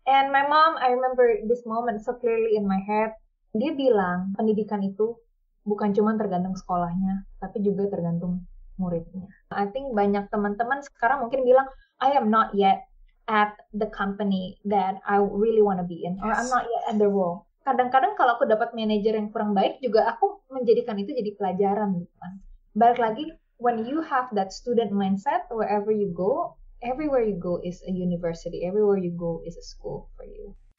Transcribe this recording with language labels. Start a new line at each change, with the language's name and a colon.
English: And my mom, I remember this moment so clearly in my head.
Indonesian: Dia bilang, pendidikan itu bukan cuma tergantung sekolahnya, tapi juga tergantung muridnya.
English: I think
Indonesian: banyak teman-teman sekarang mungkin bilang,
English: I am not yet at the company that I really want to be in, or Yes. I'm not yet at the role.
Indonesian: Kadang-kadang kalau aku dapat manajer yang kurang baik, juga aku menjadikan itu jadi pelajaran. Gitu. Balik lagi,
English: when you have that student mindset, wherever you go, everywhere you go is a university. Everywhere you go is a school for you.